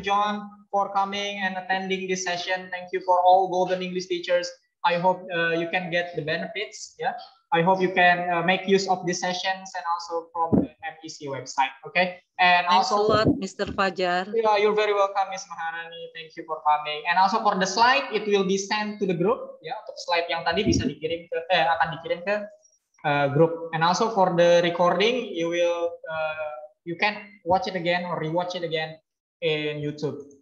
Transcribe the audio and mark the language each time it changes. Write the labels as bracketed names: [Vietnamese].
[English] John, for coming and attending this session. Thank you for all Golden English teachers. I hope you can get the benefits. Yeah, I hope you can make use of these sessions and also from the MEC website. Okay, and thanks also a lot, Mr. Fajar. Yeah, you're very welcome, Ms. Maharani. Thank you for coming. And also for the slide, it will be sent to the group. [Indonesian] Yeah, untuk slide yang tadi bisa dikirim ke akan dikirim ke group. [English] And also for the recording, you will you can watch it again or rewatch it again in YouTube.